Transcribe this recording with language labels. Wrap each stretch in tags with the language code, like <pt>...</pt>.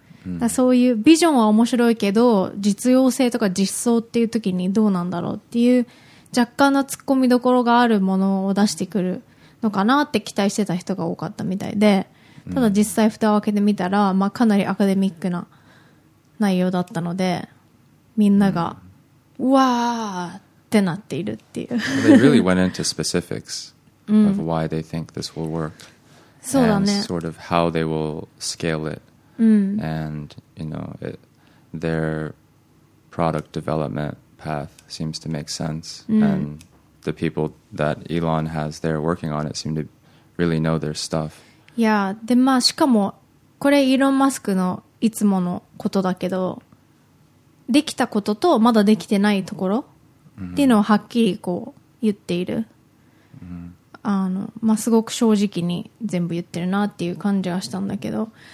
<ja>だそういうビジョンは面白いけど、実用性とか実装っていう時にどうなんだろうっていう若干の突っ込みどころがあるものを出してくるのかなって期待してた人が多かったみたいで、ただ実際蓋を開けてみたら、まあ、かなりアカデミックな内容だったので、みんながうわーってなっているっていう、</ja> <en>well, they really went into specifics of why they think this will work、</en> <ja>そうだね、</ja> <en>and sort of how they will scale it</en> <ja>うん、</ja> <en>and you know it, their product development path seems to make sense、</en> <ja>うん、</ja> <en>and the people that Elon has there working on it seem to really know their stuff.</en> <ja>Yeah, でまあしかもこれイーロン・マスクのいつものことだけど、できたこととまだできてないところっていうのをはっきりこう言っている、うん、まあすごく正直に全部言ってるなっていう感じはしたんだけど。</ja>